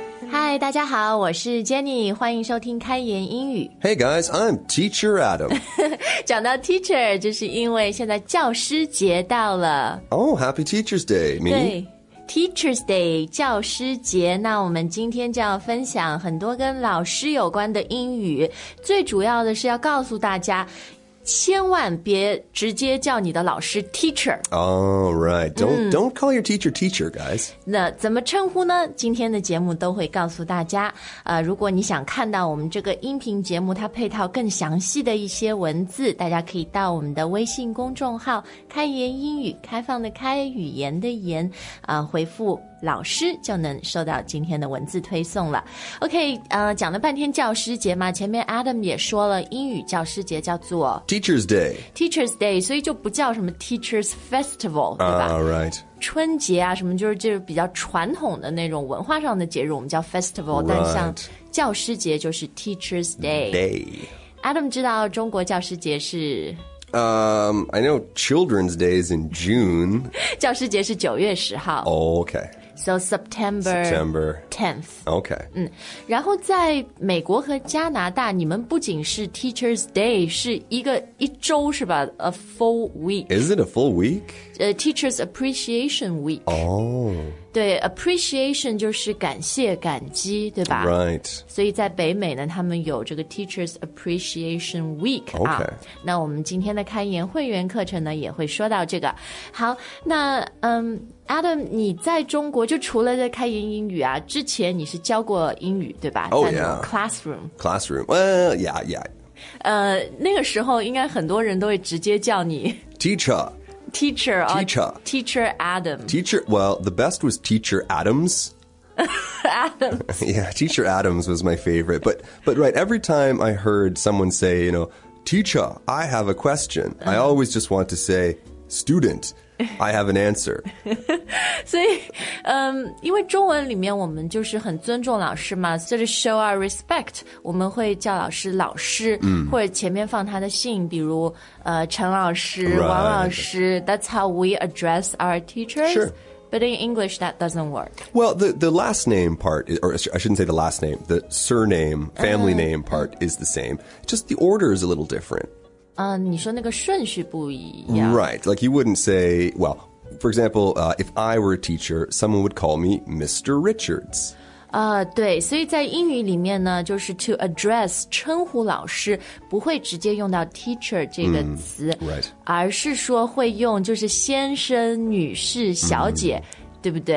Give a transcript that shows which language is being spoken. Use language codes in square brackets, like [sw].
[zh] Hi, 大家好，我是 Jenny， 欢迎收听开言英语。 [en] Hey guys, I'm Teacher Adam. [zh] 讲到 teacher， 就是因为现在教师节到了。 [en] Oh, Happy Teacher's Day, me. [zh] 对 ，Teacher's Day， 教师节。那我们今天就要分享很多跟老师有关的英语，最主要的是要告诉大家。千万别直接叫你的老师 teacher. [en] All right. Don't call your teacher teacher, guys. [zh] 那怎么称呼呢？今天的节目都会告诉大家。如果你想看到我们这个音频节目它配套更详细的一些文字，大家可以到我们的微信公众号开言英语，开放的开，语言的言，回复老师就能收到今天的文字推送了。OK， 讲了半天教师节嘛，前面 Adam 也说了，英语教师节叫做 [en] Teacher's Day。 [zh] Teacher's Day， 所以就不叫什么 Teacher's Festival， 对吧 [en] ？Right。 [zh] 春节啊，什么就是比较传统的那种文化上的节日，我们叫 Festival、 [en] right.。 [zh] 但像教师节就是 Teacher's Day。 [en] Day。 [zh] Adam 知道中国教师节是。 [en] I know Children's Day is in June. [zh] 教师节是九月十号。 [en] Oh, okay. So September 10th. Okay. [zh] 然后在美国和加拿大，你们不仅是 Teacher's Day, 是一周是吧 ？ [en] A full week. Is it a full week? Teacher's Appreciation Week. Oh. [zh] 对 ，appreciation 就是感谢、感激，对吧 [en] ？Right。 [zh] 所以在北美呢，他们有这个 Teachers Appreciation Week、 [en] okay. 啊。 [zh] 那我们今天的开言会员课程呢，也会说到这个。好，那Adam， 你在中国就除了在开言英语啊，之前你是教过英语对吧 [en] ？Oh yeah。 Classroom。 Well, yeah, yeah。 [zh] 那个时候应该很多人都会直接叫你 [en] Teacher。 Teacher, teacher, teacher Adam. Teacher, well, the best was Teacher Adams. Adams. Yeah, Teacher Adams was my favorite. But right, every time I heard someone say, you know, teacher, I have a question. I always just want to say, student, I have an answer. [zh] 所以，因为中文里面我们就是很尊重老师嘛，就是 [en] show our respect. [zh] 我们会叫老师老师，或者前面放他的姓，比如陈老师、 [en] right. [zh] 王老师。 [en] That's how we address our teachers. Sure. But in English, that doesn't work. Well, the last name part, or I shouldn't say the last name, the surname, family name part is the same. Just the order is a little different. [zh] 你说那个顺序不一样 [en] Right, like you wouldn't say, well, for example, if I were a teacher, someone would call me Mr. Richards. [zh] 对，所以在英语里面呢，就是 [en] to address, [zh] 称呼老师不会直接用到 teacher 这个词 [en] Right. [zh] 而是说会用就是先生、女士、小姐、对不对